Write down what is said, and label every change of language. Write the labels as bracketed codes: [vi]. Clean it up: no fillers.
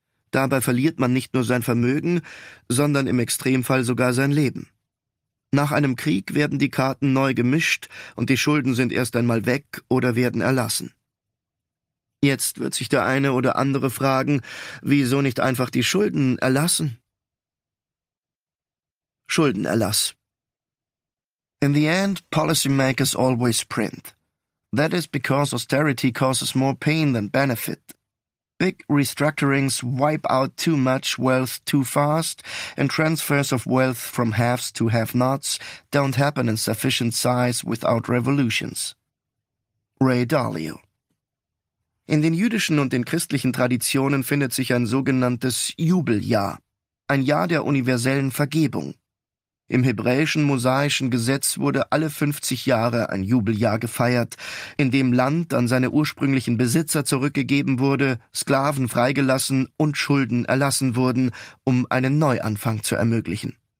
[de] Dabei verliert man nicht nur sein Vermögen, sondern im Extremfall sogar sein Leben. Nach einem Krieg werden die Karten neu gemischt und die Schulden sind erst einmal weg oder werden erlassen. Jetzt wird sich der eine oder andere fragen, wieso nicht einfach die Schulden erlassen? Schuldenerlass. [en] In the end, policymakers always print. That is because austerity causes more pain than benefit. Big restructurings wipe out too much wealth too fast, and transfers of wealth from haves to have-nots don't happen in sufficient size without revolutions. Ray Dalio. [de] In den jüdischen und den christlichen Traditionen findet sich ein sogenanntes Jubeljahr, ein Jahr der universellen Vergebung. Im hebräischen mosaischen Gesetz wurde alle 50 Jahre ein Jubeljahr gefeiert, in dem Land an seine ursprünglichen Besitzer zurückgegeben wurde, Sklaven freigelassen und Schulden erlassen wurden, um einen Neuanfang zu ermöglichen.